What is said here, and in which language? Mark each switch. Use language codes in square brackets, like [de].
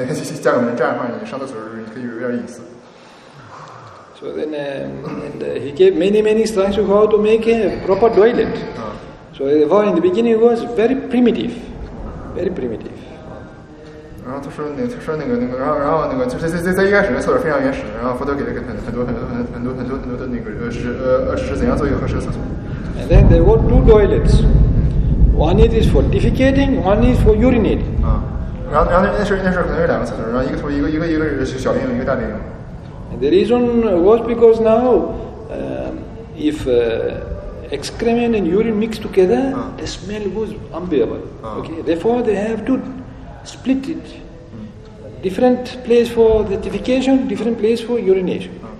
[zh] 然后就是在一开始，因为这完全露天，然后后来佛陀就告诉住比户，然后应该怎么盖一个茅房，然后慢慢加个门，这样的话你上厕所可以有点隐私。 [en] So then, and he gave many instructions of how to make a proper toilet. So therefore, in the beginning, it was very primitive, very primitive. [zh] 然后他说那个，然后就在一开始的厕所非常原始，然后佛陀给了很多的那个是怎样做一个合适的厕所。 [en] And then there were two toilets. One is for defecating, one is for urinating. [zh] 然后那时候可能有两个厕所，然后一个是小便用，一个大便用。 [en] The reason was because now, if excrement and urine mix together, the smell was unbearable. Okay, therefore they have to split it. Different place for the defecation, different place for urination.